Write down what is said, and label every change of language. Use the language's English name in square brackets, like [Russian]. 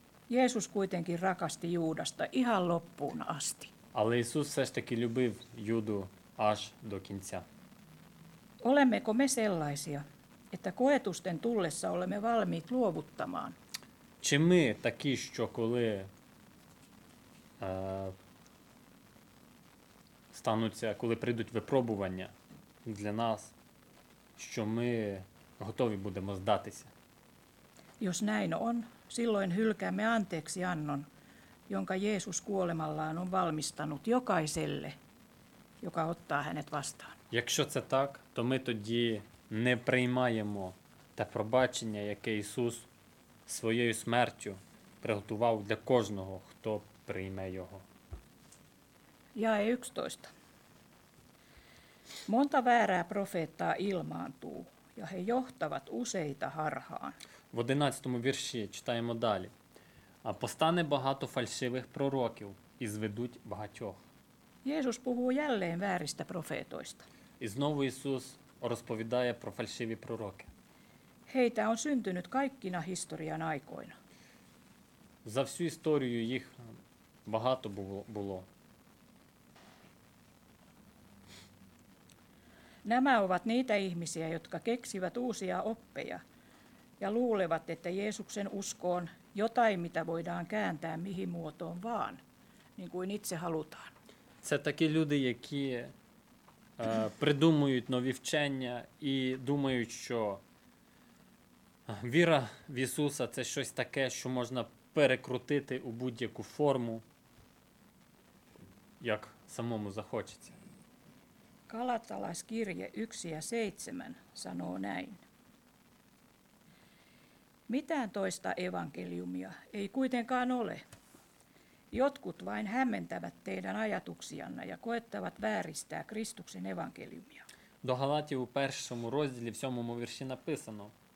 [Finnish] Jeesus kuitenkin rakasti Juudasta ihan loppuun asti. [Ukrainian] Але Ісус все ж таки любив Юду аж до кінця. [Finnish] Olemmeko me sellaisia, että koetusten tullessa olemme valmiit luovuttamaan? [Ukrainian] Чи ми такі, що коли стануться, коли прийдуть випробування для нас, що ми готові будемо здатися? [Finnish] Jos näin on, silloin hylkäämme anteeksiannon, jonka Jeesus kuolemallaan on valmistanut jokaiselle, joka ottaa hänet vastaan. [Ukrainian] Якщо це так, то ми тоді не приймаємо те пробачення, яке Ісус своєю смертю приготував для кожного, хто прийме його. [Finnish] Jae 11. Monta väärää profeettaa ilmaantuu, ja he johtavat useita harhaan. [Ukrainian] В 11-му вірші читаємо далі. А постане багато фальшивих пророків і зведуть багатьох. [Finnish] Jeesus puhuu jälleen vääristä profeetoista. [Ukrainian] І знову Ісус розповідає про фальшиві пророки. [Finnish] Heitä on syntynyt kaikkina historian aikoina. [Ukrainian] За всю історію їх багато було. [Finnish] Nämä ovat niitä ihmisiä, jotka keksivät uusia oppeja ja luulevat, että Jeesuksen usko on jotain, mitä voidaan kääntää mihin muotoon vaan, niin kuin itse halutaan. [Ukrainian] Це такі люди, які придумують нові вчення і думають, що віра в Ісуса – це щось таке, що можна перекрутити у будь-яку форму, як самому захочеться. [Finnish] Galatalaiskirje 1:7 sanoo näin. Mitään toista evankeliumia ei kuitenkaan ole. Jotkut vain hämmentävät teidän ajatuksianne ja koettavat vääristää Kristuksen evankeliumia. [Ukrainian] До Галатів у першому розділі, в сьомому вірші написано.